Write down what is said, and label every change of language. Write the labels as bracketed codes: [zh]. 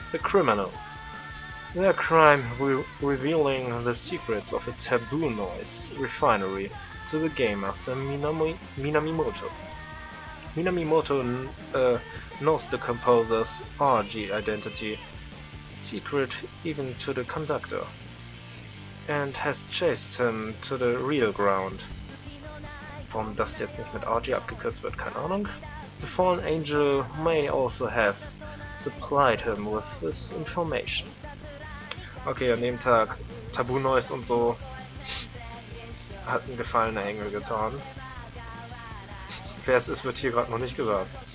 [en] The criminal. Their crime revealing the secrets of a taboo noise refinery to the game master Minamimoto. Minamimoto knows the composer's RG identity, secret even to the conductor, and has chased him to the real ground. [de] Warum das jetzt nicht mit RG abgekürzt wird, keine Ahnung. [en] The fallen angel may also have supplied him with this information. [de] Okay, an dem Tag, Taboo Noise und so, hat ein gefallener Engel getan. Wer es ist, wird hier gerade noch nicht gesagt.